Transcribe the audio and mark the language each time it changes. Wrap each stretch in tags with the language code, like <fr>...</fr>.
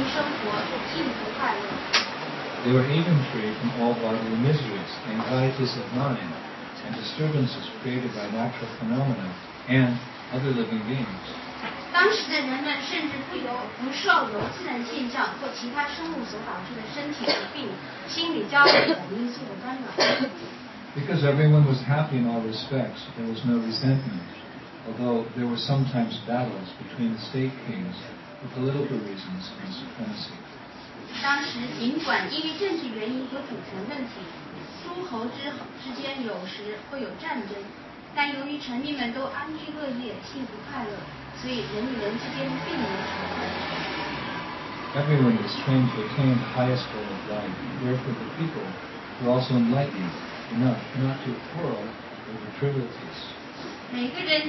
<zh>当时由于他们的优秀管理，大自然、圣泉人们所需的水果、牛奶、草药、宝石、矿物和一切自然产物，人民生活都幸福快乐。</zh> <en>They were even free from all bodily miseries, anxieties of mind, and disturbances created by natural phenomena and other living beings.</en> <zh>当时的人们甚至不受自然现象或其他生物所导致的身体疾病、心理焦虑等因素的干扰。</zh> <en>Because everyone was happy in all respects, there was no resentment, although there were sometimes battles between the state kings for political reasons and supremacy.</en> <zh>当时尽管因为政治原因和主权问题，诸侯之间有时会有战争。</zh> <en>Everyone was trained to attain the highest goal of life, and therefore the people were also enlightened enough not to quarrel over trivialities.</en>